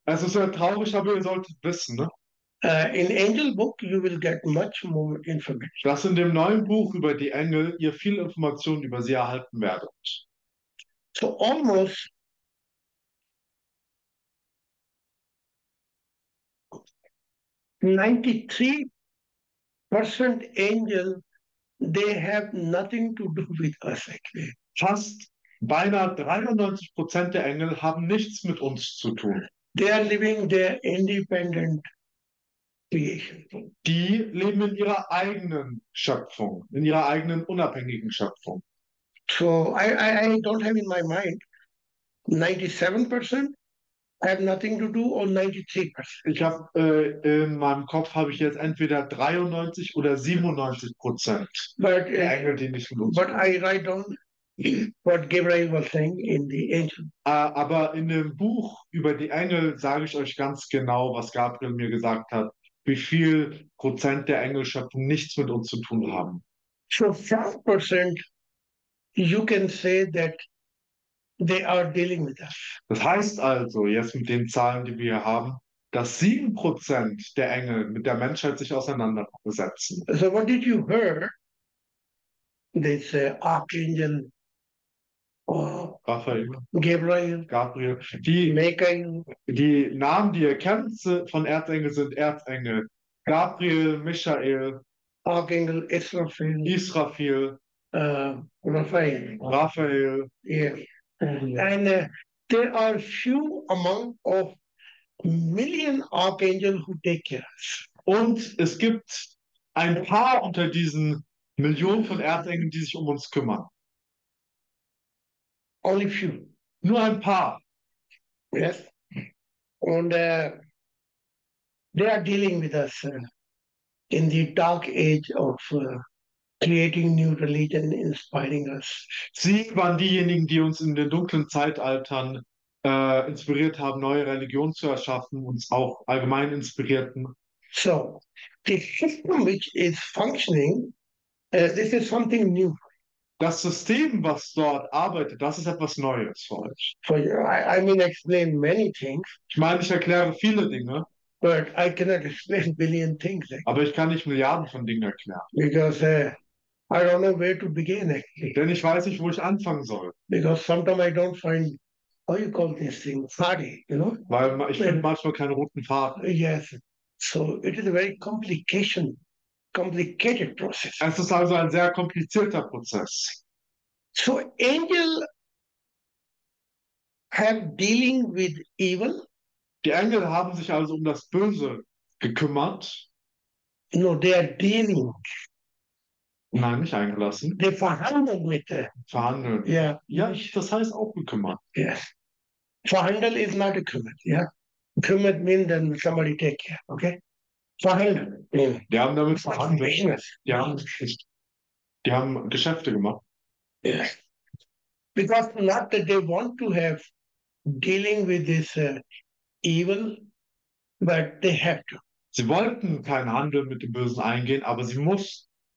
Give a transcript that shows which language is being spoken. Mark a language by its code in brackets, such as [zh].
[de] Es ist sehr traurig, aber ihr solltet wissen, ne, [en] In Angel Book, you will get much more information. [de] dass in dem neuen Buch über die Engel ihr viel Informationen über sie erhalten werdet. [en] So almost93% Angel, they have nothing to do with us actually. [de] Fast beinahe 93% der Engel haben nichts mit uns zu tun. [en] They are living their independent creation. [de] Die leben in ihrer eigenen Schöpfung, in ihrer eigenen unabhängigen Schöpfung. [en] So I don't have in my mind 97%. I have nothing to do on 93%. [de] Ich habe in meinem Kopf habe ich jetzt entweder 93 oder 97% der Engel, die nicht los [en] But I write down what Gabriel was saying in the ancient. [de] Aber in dem Buch über die Engel sage ich euch ganz genau, was Gabriel mir gesagt hat, wie viel Prozent der Engelschöpfung nichts mit uns zu tun haben. [en] So 5%, you can say that they are dealing with us. [de] Das heißt also, jetzt mit den Zahlen, die wir haben, dass 7% der Engel mit der Menschheit sich auseinandersetzen. [en] So what did you hear? This Archangel Raphael, Gabriel, Gabriel, Michael. [de] die Namen, die ihr kennt von Erzengel, sind Erzengel. Gabriel, Michael, [en] Archangel Israfel, Israfel, Raphael. Raphael. Yes. And there are few among of million Archangel who take care of us. [de] Und es gibt ein paar unter diesen Millionen von Erzengeln, die sich um uns kümmern. [en] Only few. [de] Nur ein paar. [en] Yes. And they are dealing with us in the dark age of creating new religion, inspiring us. [de] Sie waren diejenigen, die uns in den dunklen Zeitaltern inspiriert haben, neue Religionen zu erschaffen, uns auch allgemein inspirierten. [en] So, the system which is functioning, this is something new. [de] Das System, was dort arbeitet, das ist etwas Neues für euch. [en] So, I mean, explain many things, [de] Ich meine, ich erkläre viele Dinge, [en] but I cannot explain billion things [de] aber ich kann nicht Milliarden von Dingen erklären. [en] because I don't know where to begin actually. [de] Denn ich weiß nicht, wo ich anfangen soll. [en] Because sometimes I don't find how you call this thing, sorry, [de] Weil ich finde [en] Well, [de] manchmal keinen roten Faden. [en] yes, so it is a very complicated process. [de] Es ist also ein sehr komplizierter Prozess. [en] So Angel have dealing with evil? [de] Die Engel haben sich also um das Böse gekümmert. [en] No, they are dealing. [de] Nein, nicht eingelassen. They verhandeln mit der. Verhandeln. [en] Yeah, [de] Ja, nicht. das heißt auch gekümmert. [en] Yes. Verhandeln is not a kümmert, yeah. Kümmert mean then somebody take care, okay? Verhandeln. [de] Die haben damit [en] What [de] verhandelt. [en] business? [de] Die haben Geschäfte gemacht. [en] Yes. Because not that they want to have dealing with this evil, but they have to. [de] Sie wollten keinen Handel mit dem Bösen eingehen, aber sie mussten.